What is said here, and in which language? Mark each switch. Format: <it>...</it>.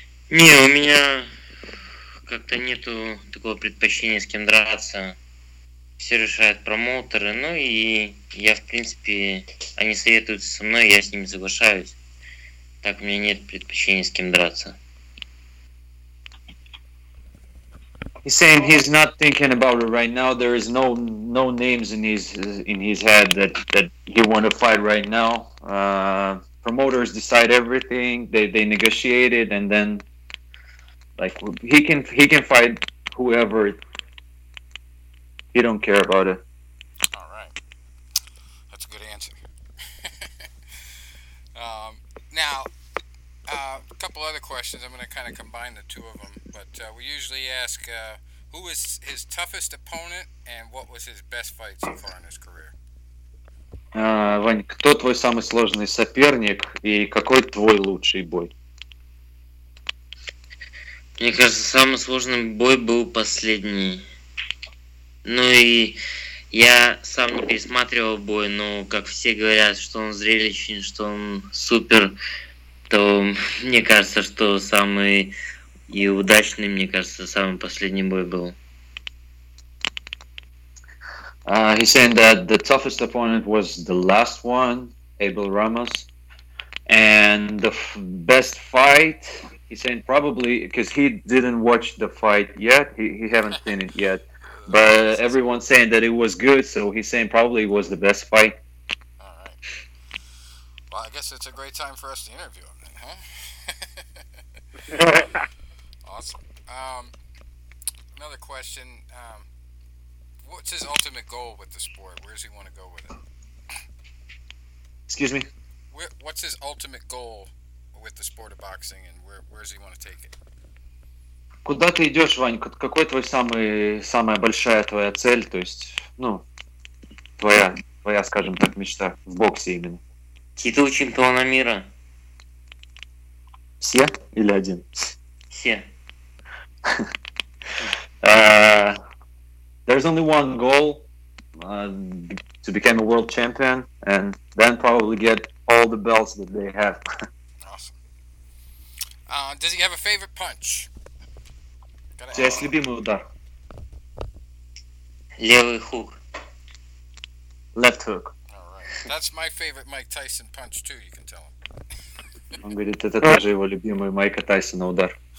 <ru>Не, у меня как-то нету такого предпочтения, с кем драться. Все решают промоутеры, ну и я, в принципе, они советуются со мной, я с ними соглашаюсь. Так у меня нет предпочтения, с кем драться.</ru> <en>He's saying he's not thinking about it right now. There is no names in his head that he want to fight right now. Promoters decide everything. They negotiate it, and then like he can fight whoever. He don't care about it. All right, that's a good answer. now, a couple other questions. I'm going to kind of combine the two of them, but we usually ask. Who was his toughest opponent, and what was his best fight so far in his career?</en> <ru>Вань, кто твой самый сложный соперник и какой твой лучший бой? Мне кажется, самый сложный бой был последний. Ну и я сам не пересматривал бой, но как все говорят, что он зрелищный, что он супер, то мне кажется, что самый и удачный, мне кажется, самый последний бой был.</ru> <en>He's saying that the toughest opponent was the last one, Abel Ramos, and the best fight, he's saying probably, because he didn't watch the fight yet, he haven't seen it yet, but everyone's saying that it was good, so he's saying probably it was the best fight. Alright. Well, I guess it's a great time for us to interview him then, huh? Awesome. Another question, what's his ultimate goal with the sport? Where does he want to go with it? Excuse me? What's his ultimate goal with the sport of boxing, and where does he want to take it?</en> <ru>Куда ты идешь, Вань? Какой твой самая большая твоя цель, то есть, ну, твоя, скажем так, мечта в боксе именно? Титул чемпиона мира. Все или один? Все.</ru> <en>There's only one goal, to become a world champion, and then probably get all the belts that they have. Awesome. Does he have a favorite punch?</en> <ru>Чей любимый удар? Левый хук.</ru> <en>Left hook. Alright. That's my favorite Mike Tyson punch too, you can tell him.</en> <ru>Он говорит, это тоже его любимый Майка Тайсона удар.</ru>